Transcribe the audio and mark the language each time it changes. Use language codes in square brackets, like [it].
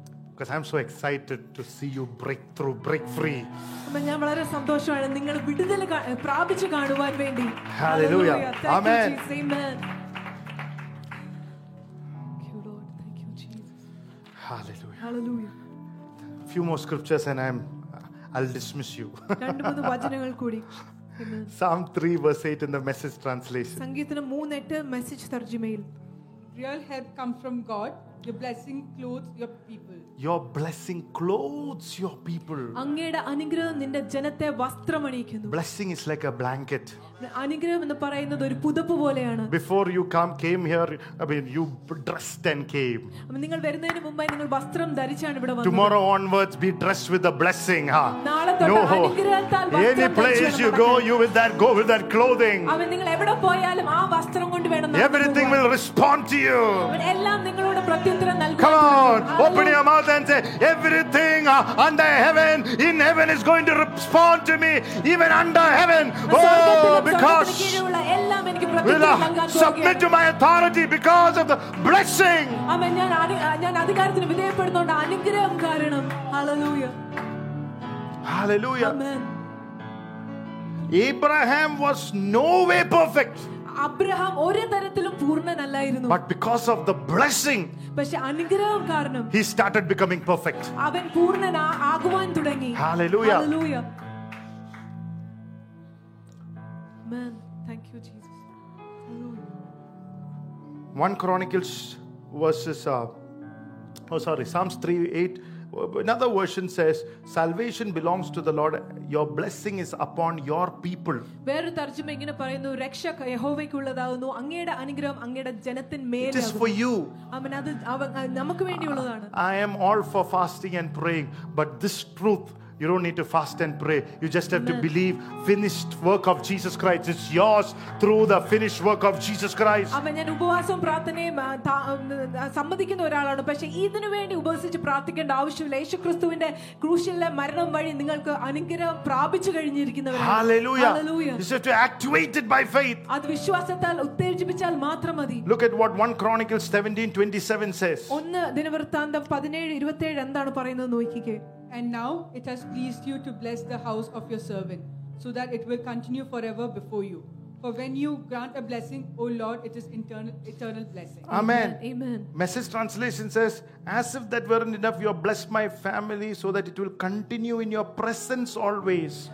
[en] Because I'm so excited to see you break through, break free. Amen. I'm very happy. [ml] നിങ്ങളെ വിടുതൽ പ്രാപിച്ചു കാണുവാൻ വേണ്ടി. [en] Hallelujah. Amen. Thank you, Lord. Thank you, Jesus. Hallelujah. Hallelujah. Few more scriptures and I'll dismiss you. [ml] രണ്ട് മൂന്ന് വചനങ്ങൾ കൂടി. [en] Psalm 3 verse 8 in the message translation. [ml] സംഗീതം 3:8 message തർജ്ജമയിൽ. [en] Real help comes from God. Your blessing clothes your people. Your blessing clothes your people. [ml] അങ്ങയുടെ അനുഗ്രഹം നിന്റെ ജനത്തെ വസ്ത്രമണിയിക്കുന്നു. [en] Blessing is like a blanket. [ml] അനുഗ്രഹം എന്ന് പറയുന്നത് ഒരു പുതപ്പ് പോലെയാണ്. [en] Before you came here, you dressed and came. [ml] നിങ്ങൾ വരുന്നതിന് മുമ്പായി നിങ്ങൾ വസ്ത്രം ധരിച്ചാണ് ഇവിടെ വന്നത്. [en] Tomorrow onwards be dressed with the blessing. [ml] നാളെ തൊട്ട് അനുഗ്രഹത്താൽ വസ്ത്രം ധരിക്കണം. [en] Any place you go, you with that, go with that clothing. [ml] അവൻ നിങ്ങൾ എവിടെ പോയാലും ആ വസ്ത്രം കൊണ്ട് വേണം. [en] Everything will respond to you. [ml] എല്ലാം നിങ്ങളോട് പ്രത്യുത്തരം നൽകും. [en] Come on, open your mouth and say, everything under heaven, in heaven is going to respond to me, even under heaven. Oh, because will submit to my authority because of the blessing. Amen. [ml] ഞാൻ അധികാരത്തിന് വിധേയപ്പെടുന്നതുകൊണ്ട് അനുഗ്രഹം കാരണം. [en] Hallelujah. Hallelujah. Amen. Abraham was no way perfect. [ml] Abraham ഒരു തരത്തിലും പൂർണ്ണനല്ലായിരുന്നു. [en] But because of the blessing, [ml] പക്ഷേ അനുഗ്രഹം കാരണം, [en] he started becoming perfect. [ml] അവൻ പൂർണ്ണനാകുവാൻ തുടങ്ങി. [en] Hallelujah. Hallelujah. Man, thank you, Jesus. Hallelujah. 1 Chronicles verses, Psalms 3:8. Another version says, salvation belongs to the Lord. Your blessing is upon your people. [ml] വേറെ തർജ്ജമ ഇങ്ങനെ പറയുന്നു, രക്ഷ യഹോവയ്ക്കുള്ളതാകുന്നു, അങ്ങയുടെ അനുഗ്രഹം അങ്ങയുടെ ജനത്തിന്മേൽ. [en] It is for you. [ml] അത് നമുക്ക് വേണ്ടിയുള്ളതാണ്. [en] I am all for fasting and praying, but this truth, you don't need to fast and pray. You just have to believe finished work of Jesus Christ. It's yours through the finished work of Jesus Christ. [ml] അമ്മ ഞാൻ ഉപവാസം പ്രാർത്ഥനയെ സമ്മതിക്കുന്ന ഒരാളാണ്. പക്ഷേ ഇതിനു വേണ്ടി ഉപവസിച്ച് പ്രാർത്ഥിക്കേണ്ട ആവശ്യമില്ല. യേശുക്രിസ്തുവിന്റെ ക്രൂശിലെ മരണം വഴി നിങ്ങൾക്ക് അനുഗ്രഹം പ്രാപിച്ചു കഴിഞ്ഞിരിക്കുന്നവരാണ്. [en] Hallelujah. Hallelujah. You just have to activate it by faith. [ml] അത് വിശ്വാസത്താൽ ഉത്തേജിപ്പിച്ചാൽ മാത്രം മതി. [en] Look at what 1 Chronicles 17:27 says. [ml] ഒന്ന് ദിനവൃത്താന്തം 17:27 എന്താണ് പറയുന്നത് നോക്കിക്കേ. [en] And now it has pleased you to bless the house of your servant so that it will continue forever before you. For when you grant a blessing, O Lord, it is eternal blessing. Amen. Amen. Message translation says, as if that weren't enough, you have blessed my family so that it will continue in your presence always.